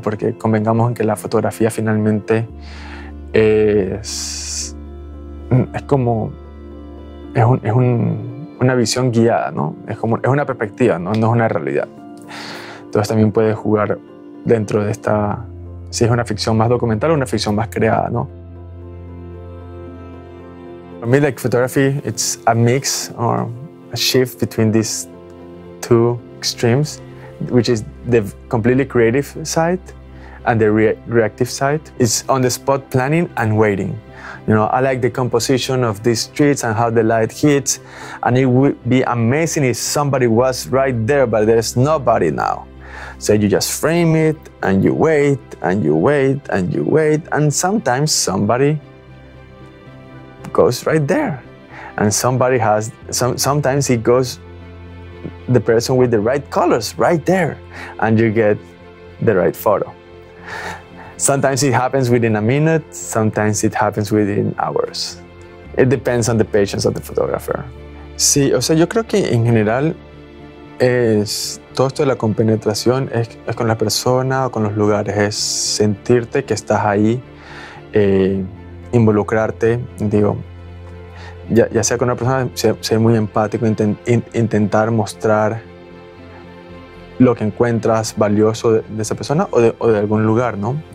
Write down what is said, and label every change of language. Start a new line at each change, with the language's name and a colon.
Spanish: Porque convengamos en que la fotografía finalmente es una visión guiada, ¿no? Es una perspectiva, ¿no? No es una realidad. Entonces también puedes jugar dentro de esta, si es una ficción más documental o una ficción más creada, ¿no?
English: For me, like photography, it's a mix or a shift between these two extremes, which is the completely creative side and the reactive side. It's on the spot planning and waiting. You know, I like the composition of these streets and how the light hits, and it would be amazing if somebody was right there, but there's nobody now. So you just frame it and you wait and you wait and you wait, and sometimes somebody goes right there, and somebody has sometimes it goes the person with the right colors right there, and you get the right photo. Sometimes it happens within a minute, sometimes it happens within hours. It depends on the patience of the photographer.
Spanish: Sí, o sea, yo creo que en general es todo esto de la compenetración es con la persona o con los lugares, es sentirte que estás ahí, involucrarte, digo, ya sea con una persona, ser muy empático, intentar mostrar lo que encuentras valioso de esa persona o de algún lugar, ¿no?